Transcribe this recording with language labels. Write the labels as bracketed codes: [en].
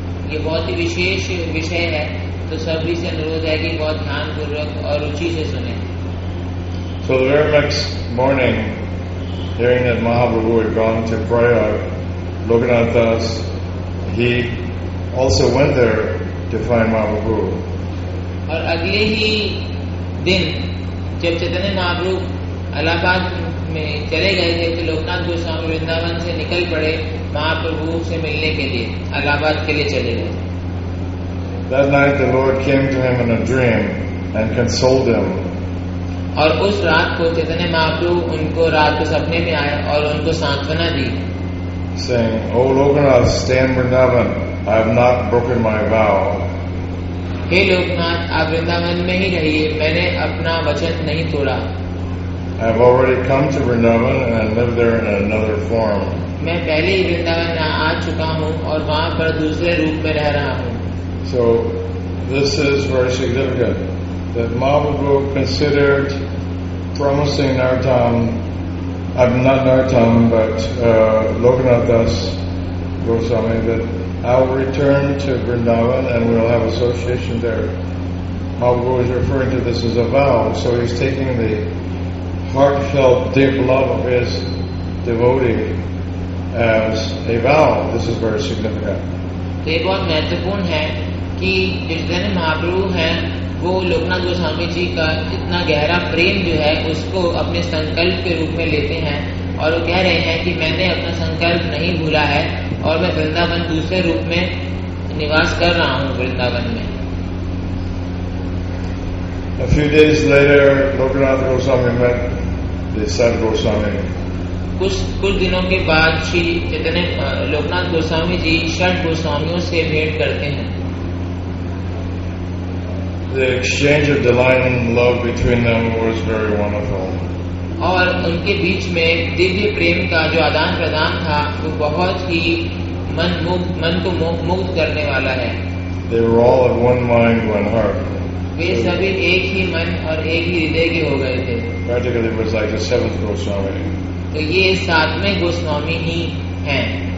[hi] ये बहुत ही विशेष विषय है, तो सभी से अनुरोध है कि बहुत ध्यानपूर्वक और रुचि से सुने। [en] So the very next morning, hearing that Mahaprabhu had gone to Prayag, Lokanath Das, he also went there to find Mahaprabhu. [hi] और अगले ही दिन जब चैतन्य महाप्रभु इलाहाबाद में चले गए थे, तो लोकनाथ गोस्वामी वृंदावन से निकल पड़े महाप्रभु से मिलने के लिए, इलाहाबाद के लिए चले गए। [en] That night the Lord came to him in a dream and consoled him. [hi] और उस रात को चैतन्य महाप्रभु उनको रात के सपने में आए और उनको सांत्वना दी. [en] Saying, O Lokanath, stay in Vrindavan. I have not broken my vow. [hi] हे लोकनाथ, आप वृंदावन में ही रहिए. मैंने अपना वचन नहीं तोड़ा. [en] I have already come to Vrindavan and live there in another form. [hi] मैं पहले ही वृंदावन आ चुका हूँ और वहाँ पर दूसरे रूप में रह रहा हूँ. [en] So, this is very significant that Mahaprabhu considered promising Nartam, not Nartam, but Lokanath Das Goswami, that I'll return to Vrindavan and we'll have association there. Mahaprabhu is referring to this as a vow, so he's taking the heartfelt, deep love of his devotee as a vow. This is very significant. [hi] कि जिस दिन महाप्रभु हैं वो लोकनाथ गोस्वामी जी का इतना गहरा प्रेम जो है उसको अपने संकल्प के रूप में लेते हैं और वो कह रहे हैं कि मैंने अपना संकल्प नहीं भूला है और मैं वृंदावन दूसरे रूप में निवास कर रहा हूँ वृंदावन में. [en] A few days later, Lokanath Goswami met the Sadhu Goswami. [hi] कुछ दिनों के बाद श्री चैतन्य लोकनाथ गोस्वामी जी षड गोस्वामियों से भेंट करते हैं. [en] The exchange of divine love between them was very wonderful. [hi] और उनके बीच में दिव्य प्रेम का जो आदान प्रदान था वो बहुत ही मन को मुक्त करने वाला है. [en] They were all of one mind, one heart. [hi] वे सभी एक ही मन और एक ही हृदय के हो गए थे. [en] Practically it was like the seventh Goswami. [hi] तो ये सातवें गोस्वामी ही हैं.